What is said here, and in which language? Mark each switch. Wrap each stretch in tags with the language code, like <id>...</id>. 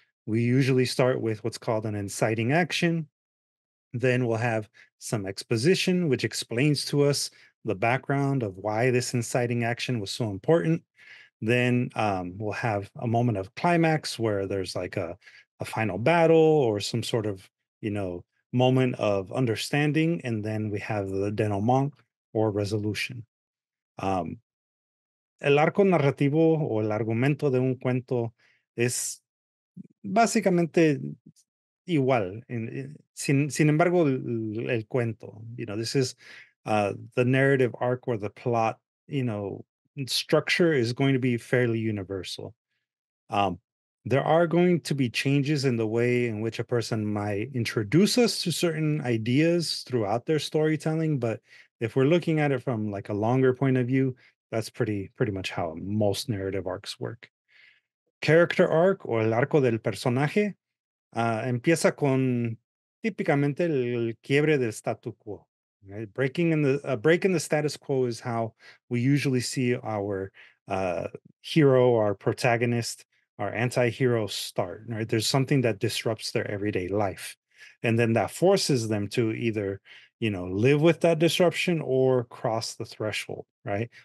<en>We usually start with what's called an inciting action. Then we'll have some exposition, which explains to us the background of why this inciting action was so important. Then we'll have a moment of climax where there's like a final battle or some sort of, you know, moment of understanding. And then we have the denouement or resolution.</en> <es>El arco narrativo o el argumento de un cuento es básicamente igual. Sin embargo, el cuento,</es> <en>you know, this is the narrative arc or the plot, you know, structure is going to be fairly universal. There are going to be changes in the way in which a person might introduce us to certain ideas throughout their storytelling. But if we're looking at it from like a longer point of view, that's pretty much how most narrative arcs work. Character arc or</en> <es>el arco del personaje empieza con típicamente el quiebre del statu quo.</es> <en>Right? Break in the status quo is how we usually see our hero, our protagonist, our anti-hero start. Right? There's something that disrupts their everyday life. And then that forces them to either, you know, live with that disruption or cross the threshold, right?</en>